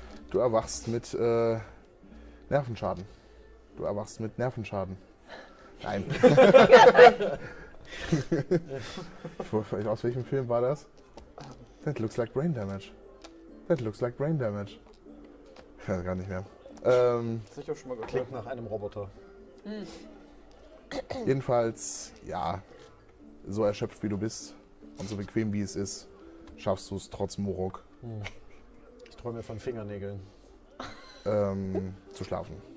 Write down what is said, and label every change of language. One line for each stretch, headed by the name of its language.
German: du erwachst mit Nervenschaden. Du erwachst mit Nervenschaden. Nein. aus welchem Film war das?
English: That looks like brain damage. That looks like brain damage.
German: Ja, gar nicht mehr. Sicher schon mal gehört. Klingt nach einem Roboter. Jedenfalls, ja, so erschöpft wie du bist und so bequem wie es ist, schaffst du es trotz Morok. Ich träume von Fingernägeln. zu schlafen.